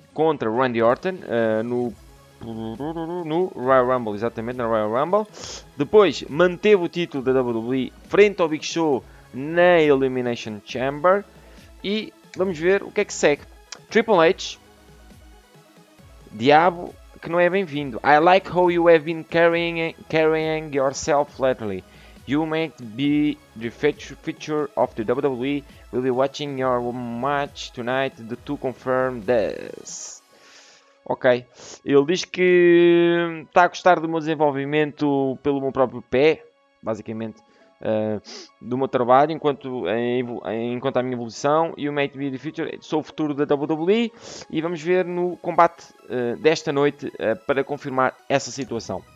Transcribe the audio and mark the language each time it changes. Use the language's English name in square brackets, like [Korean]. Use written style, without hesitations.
[Portuguese] Contra Randy Orton no Royal Rumble, exatamente, na Royal Rumble. Depois manteve o título da WWE frente ao Big Show na Elimination Chamber. E vamos ver o que é que segue. Triple H, diabo que não é bem-vindo. [English] I like how you have been carrying yourself lately. You may be the future of the WWE. Will be watching your match tonight to confirm this. [Portuguese] Ok, ele diz que está a gostar do meu desenvolvimento pelo meu próprio pé, basicamente, do meu trabalho enquanto a minha evolução. E o [English] Mate Be The Future, [Portuguese] sou o futuro da WWE. E vamos ver no combate desta noite para confirmar essa situação.